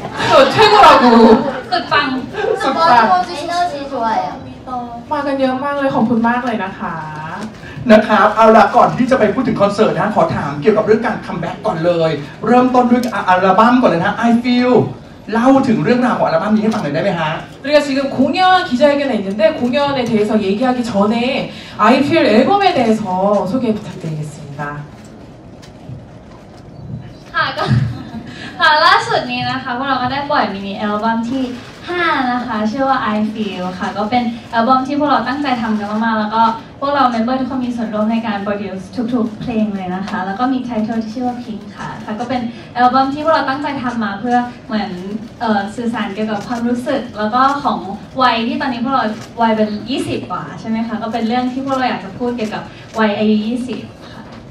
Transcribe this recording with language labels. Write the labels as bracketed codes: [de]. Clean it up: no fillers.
[th] สุดเท่ากูสุดปังสุ ดปัง สุดปังสุดปังสุดปัง มากันเยอะมากเลยขอบคุณมากเลยนะคะ นะครับเอาละก่อนที่จะไปพูดถึงคอนเสิร์ตนะขอถามเกี่ยวกับเรื่องการคัมแบ็กก่อนเลยเริ่มต้นด้วยอัลบั้มก่อนเลยนะ I Feel เล่าถึงเรื่องราวของอัลบั้มนี้ให้ฟังหน่อยได้ไหมฮะ [ko] 우리가지금공연기자회견에있는데공연에대해서얘기하기전에 I Feel 앨범에대해서소개부탁드리겠습니다 [th] ค่ะก็ค่ะล่าสุดนี้นะคะพวกเราก็ได้ปล่อยมินิอัลบั้มที่5นะคะชื่อว่า I Feel ค่ะก็เป็นอัลบั้มที่พวกเราตั้งใจทำกันมากๆแล้วก็พวกเราเมมเบอร์ทุกคนมีส่วนร่วมในการโปรดิวซ์ทุกๆเพลงเลยนะคะแล้วก็มีไทเทิลที่ชื่อว่า Pink ค่ะค่ะก็เป็นอัลบั้มที่พวกเราตั้งใจทำมาเพื่อเหมือนสื่อสารเกี่ยวกับความรู้สึกแล้วก็ของวัยที่ตอนนี้พวกเราวัยเป็น20กว่าใช่มั้ยคะก็เป็นเรื่องที่พวกเราอยากจะพูดเกี่ยวกับวัยอายุ20ค่ะ